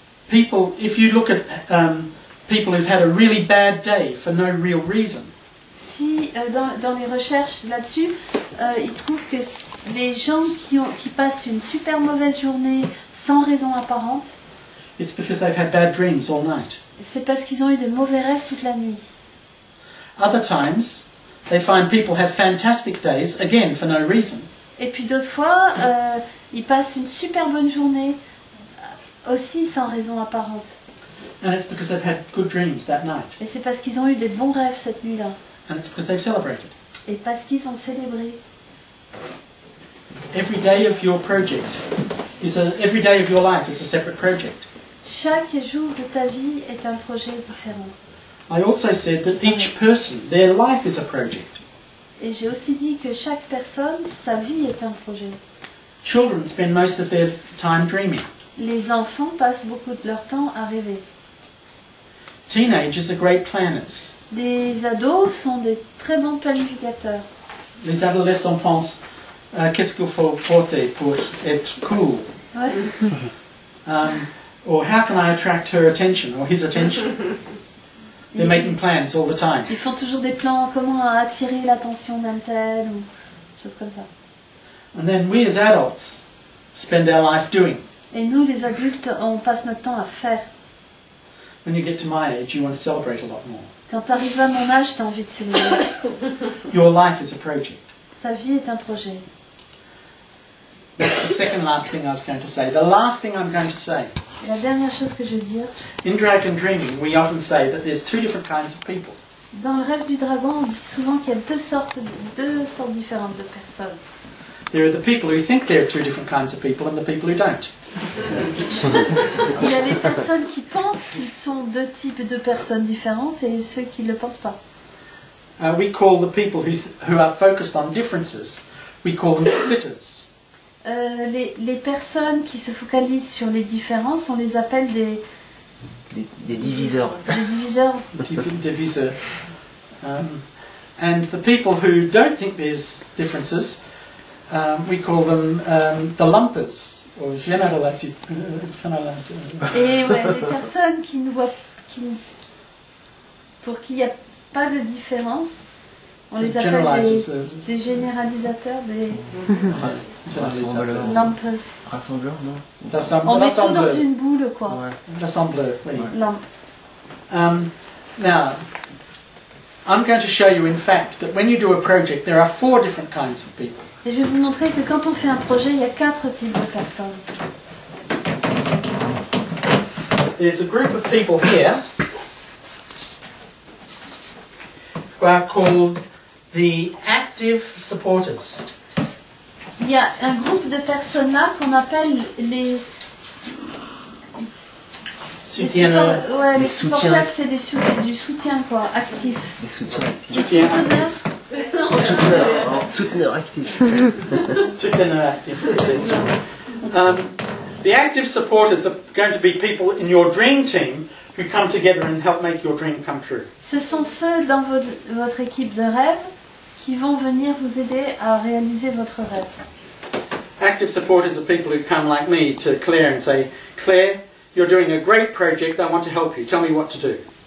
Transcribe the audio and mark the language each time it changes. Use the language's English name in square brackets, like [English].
[English] People, if you look at people who've had a really bad day for no real reason. [French] Si dans les recherches là-dessus, ils trouvent que les gens qui passent une super mauvaise journée sans raison apparente. [English] It's because they've had bad dreams all night. [French] C'est parce qu'ils ont eu de mauvais rêves toute la nuit. [English] Other times, they find people have fantastic days again for no reason. [French] Et puis d'autres fois. Ils passent une super bonne journée, aussi sans raison apparente. [English] And it's because they've had good dreams that night. [French] Et c'est parce qu'ils ont eu des bons rêves cette nuit-là. [English] And it's because they've celebrated. [French] Et parce qu'ils ont célébré. [English] Every day of your project is a, every day of your life is a separate project. [French] Chaque jour de ta vie est un projet différent. [English] I also said that each person, their life is a project. [French] Et j'ai aussi dit que chaque personne, sa vie est un projet. [English] Children spend most of their time dreaming. [French] Les enfants passent beaucoup de leur temps à rêver. [English] Teenagers are great planners. [French] Les ados sont des très bons planificateurs. Les adolescents pensent qu'est-ce qu'il faut porter pour être cool. Ouais. [English] Or how can I attract her attention or his attention? They're making plans all the time. [French] Ils font toujours des plans comment attirer l'attention d'un tel ou choses comme ça. [English] And then we as adults spend our life doing. [French] Et nous les adultes on passe notre temps à faire. [English] When you get to my age, you want to celebrate a lot more. [French] Quand t'arrives à mon âge, t'as envie de célébrer. [English] Your life is a project. [French] Ta vie est un projet. [English] That's the second last thing I was going to say. The last thing I'm going to say. [French] La dernière chose que je veux dire. [English] In dragon dreaming, we often say that there's two different kinds of people. [French] Dans le rêve du dragon, on dit souvent qu'il y a deux sortes différentes de personnes. [English] There are the people who think there are two different kinds of people and the people who don't. [French] Il y a les personnes qui pensent qu'ils sont deux types de personnes différentes et ceux qui ne le pensent pas. [English] We call the people who are focused on differences, we call them splitters. [French] Les personnes qui se focalisent sur les différences, on les appelle des diviseurs. Des diviseurs. Diviseurs. [English] And the people who don't think there's differences, we call them the lumpers or generalisateurs. [French] Et ouais, les personnes qui ne voient pour qui il n'y a pas de différence, on les appelle des généralisateurs, des lumpers. Rassembleurs, non? On met tout dans une boule, quoi. Ouais. Rassembleurs, oui. Ouais. Lumpes. [English] Now, I'm going to show you, in fact, that when you do a project, there are four different kinds of people. [French] Et je vais vous montrer que quand on fait un projet, il y a quatre types de personnes. [English] There's a group of people here who are called the active supporters. [French] Il y a un groupe de personnes là qu'on appelle les [English] The active supporters are going to be people in your dream team who come together and help make your dream come true. [French] Ce sont ceux dans votre équipe de rêve qui vont venir vous aider à réaliser votre rêve. [English] Active supporters are people who come like me to Claire and say, Claire, you're doing a great project, I want to help you. Tell me what to do.